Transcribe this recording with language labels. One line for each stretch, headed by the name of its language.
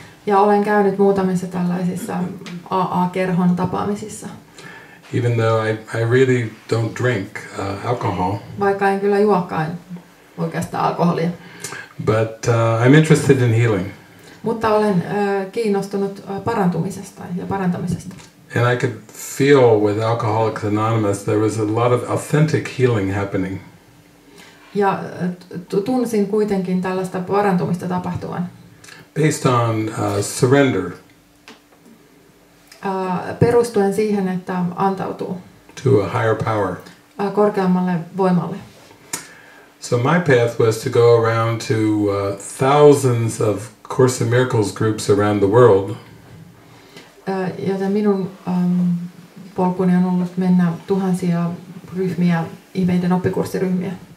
Finnish: Ja olen käynyt muutamissa tällaisissa AA-kerhon tapaamisissa.
English: Even though I really don't drink alcohol.
Finnish: Vaikka en kyllä juokaan oikeastaan alkoholia.
English: But I'm interested in healing.
Finnish: Mutta olen kiinnostunut parantumisesta ja parantamisesta.
English: And I could feel with Alcoholics Anonymous there was a lot of authentic healing happening.
Finnish: Ja tunsin kuitenkin tällaista parantumista tapahtuvan.
English: Based on surrender.
Finnish: Perustuen siihen, että antautuu.
English: To a higher power.
Finnish: Korkeammalle voimalle.
English: So my path was to go around to thousands of Course in Miracles groups around the world.
Finnish: Joten minun polkuni on ollut mennä tuhansia ryhmiä, ihmeiden oppikurssiryhmiä.